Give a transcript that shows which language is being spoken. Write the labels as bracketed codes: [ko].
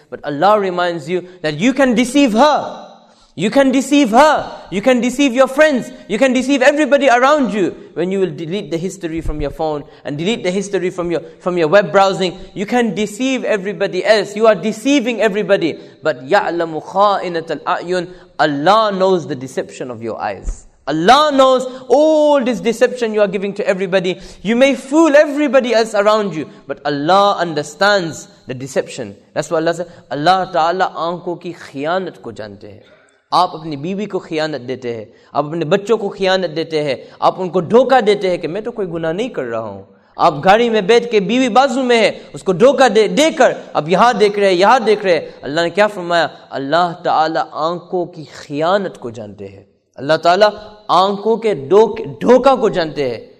[en] But Allah reminds you that you can deceive her. You can deceive her. You can deceive your friends. You can deceive everybody around you. When you will delete the history from your phone and delete the history from your web browsing, you can deceive everybody else. You are deceiving everybody. [ar] But يَعْلَمُ خَائِنَةَ الْأَعْيُنِ. [en] Allah knows the deception of your eyes. Allah knows all this deception you are giving to everybody. You may fool everybody else around you, but Allah understands the deception. That's what Allah said. [ur] Allah Ta'ala aankhon ki khianat ko jante hai. آپ اپنی بیوی کو خیانت دیتے ہیں, آپ اپنے بچوں کو خیانت دیتے ہیں, آپ ان کو دھوکا دیتے ہیں کہ میں تو کوئی گناہ نہیں کر رہا ہوں. آپ گاڑی میں بیٹھ کے بیوی بازو میں ہے, اس کو دھوکا دے کر آپ یہاں دیکھ رہے ہیں, یہاں دیکھ رہے ہیں. اللہ نے کیا فرمایا؟ اللہ تعالیٰ آنکھوں کی خیانت کو جانتے ہیں, اللہ تعالیٰ آنکھوں کے دھوکا کو جانتے ہیں.